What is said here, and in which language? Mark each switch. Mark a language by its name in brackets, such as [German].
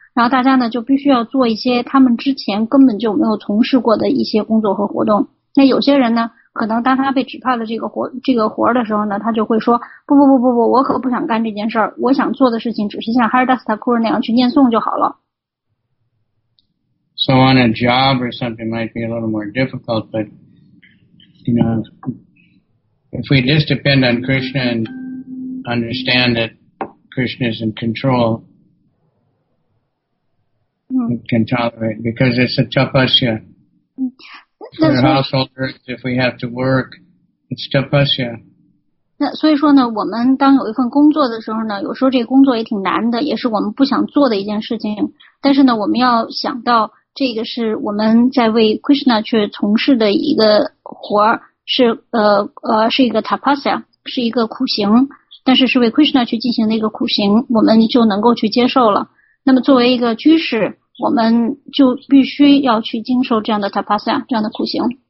[Chinese] 然后大家呢就必须要做一些他们之前根本就没有从事过的一些工作和活动。那有些人呢，可能当他被指派了这个活儿的时候呢，他就会说，不，我可不想干这件事儿，我想做的事情只是像Haridas Thakur那样去念诵就好了。 [English] So on a job or something might be a little more difficult, but, you know, if we just depend on Krishna and understand that Krishna is in control, we can tolerate, because it's a tapasya. For householders, if we have to work, it's tapasya. [Chinese] 那所以说呢，我们当有一份工作的时候呢，有时候这个工作也挺难的，也是我们不想做的一件事情，但是呢，我们要想到这个是我们在为 Krishna 去从事的一个活儿，是一个 tapasya， 是一个苦行，但是是为 Krishna 去进行的一个苦行，我们就能够去接受了。那么作为一个居士，我们就必须要去经受这样的 tapasya， 这样的苦行。